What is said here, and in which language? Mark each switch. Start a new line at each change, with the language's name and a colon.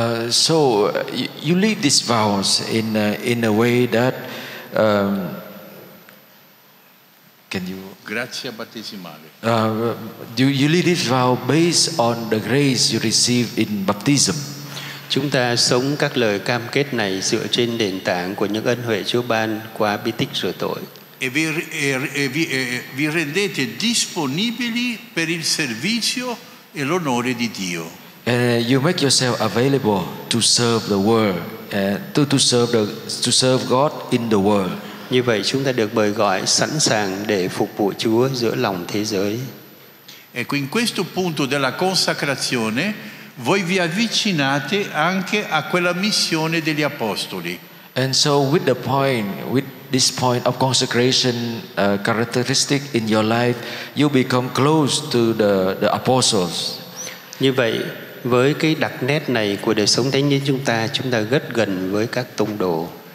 English: So you live these vows in a way that can you
Italian: grazia battesimale.
English: You live this vow based on the grace you receive in baptism.
Vietnamese: Chúng ta sống các lời cam kết này dựa trên nền tảng của những ân huệ Chúa ban qua bí tích rửa tội.
Italian: E vi rendete disponibili per il servizio e l'onore di Dio.
English: You make yourself available to serve the world, to serve God in the world.
Vietnamese: Như vậy chúng ta được mời gọi sẵn sàng để phục vụ Chúa giữa lòng thế giới.
Italian: Ecco, in questo punto della consacrazione voi vi avvicinate anche a quella missione degli apostoli.
English: And so with the point, with this point of consecration characteristic in your life, you become close to the apostles.
Vietnamese: Như vậy, với cái đặc nét này của đời sống thánh nhân chúng ta rất gần với các tông đồ.